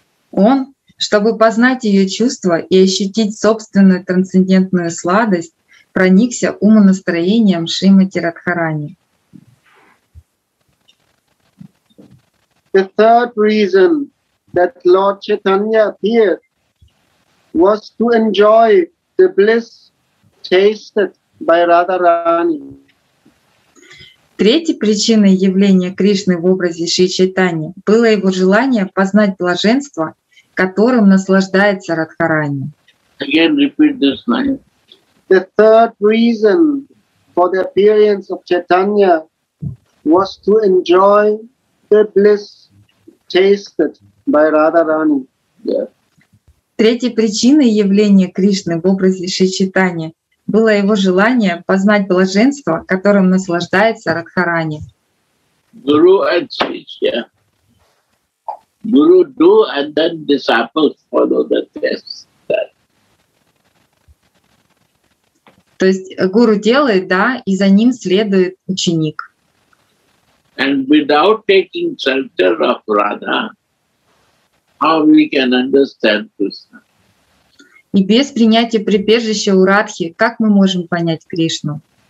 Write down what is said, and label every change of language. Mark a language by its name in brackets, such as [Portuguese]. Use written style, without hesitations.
[Russian] он, чтобы познать ее чувства и ощутить собственную трансцендентную сладость, проникся умонастроением Шримати Радхарани. [English] The third reason that Lord Chaitanya appeared was to enjoy the bliss tasted by Radharani. [Russian] Третьей причиной явления Кришны в образе Шри Чайтаньи было его желание познать блаженство, которым наслаждается Радхарани. [English] Again, repeat this line. The third reason for the appearance of Chaitanya was to enjoy the bliss tasted by Radharani. [Russian] Третьей причиной явления Кришны в образе Шри Чайтаньи было его желание познать блаженство, которым наслаждается Радхарани. [English] Guru and Shishya. Guru do and then disciples follow the test. [Russian] То есть гуру делает, да, и за ним следует ученик. [English] And without taking shelter of Radha, how we can understand Krishna? [Russian] И без принятия прибежища у Радхи, как мы можем понять Кришну?